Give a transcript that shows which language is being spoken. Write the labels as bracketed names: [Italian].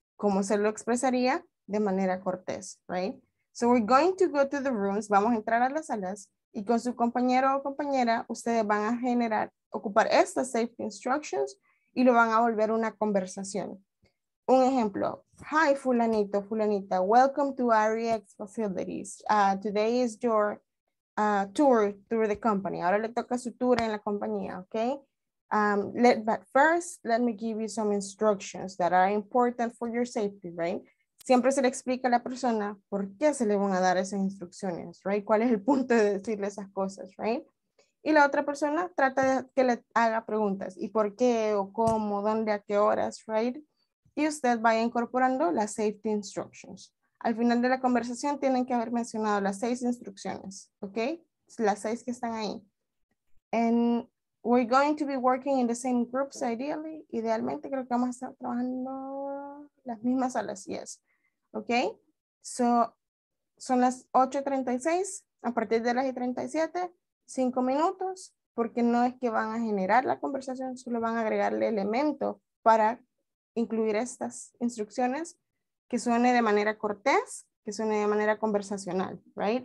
[Spanish] ¿Cómo se lo expresaría? De manera cortés, right? [English] So we're going to go to the rooms, [Spanish] vamos a entrar a las salas y con su compañero o compañera, ustedes van a generar, ocupar estas safety instructions y lo van a volver una conversación. Un ejemplo, [English] hi fulanito, fulanita, welcome to REX facilities. Today is your tour through the company. [Spanish] Ahora le toca su tour en la compañía, okay? [English] But first, let me give you some instructions that are important for your safety, right? [Spanish] Siempre se le explica a la persona por qué se le van a dar esas instrucciones, right? ¿Cuál es el punto de decirle esas cosas, right? Y la otra persona trata de que le haga preguntas. ¿Y por qué? ¿O cómo? ¿Dónde? ¿A qué horas? Right? Y usted vaya incorporando las safety instructions. Al final de la conversación tienen que haber mencionado las 6 instrucciones, ¿ok? Las 6 que están ahí. [English] And we're going to be working in the same groups, ideally. [Spanish] Idealmente creo que vamos a estar trabajando las mismas salas, yes. ¿Ok? So, son las 8:36, a partir de las 8:37, 5 minutos, porque no es que van a generar la conversación, solo van a agregarle elemento para incluir estas instrucciones que suene de manera cortés, que suene de manera conversacional, right?